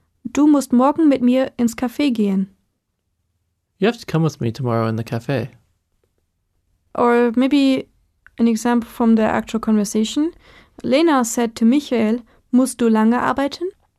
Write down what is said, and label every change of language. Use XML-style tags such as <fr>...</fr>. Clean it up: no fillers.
<de>Du musst morgen mit mir ins Café gehen.</de> <en>You have to come with me tomorrow in the café. Or maybe an example from the actual conversation. Lena said to Michael,</en> <de>musst du lange arbeiten?</de>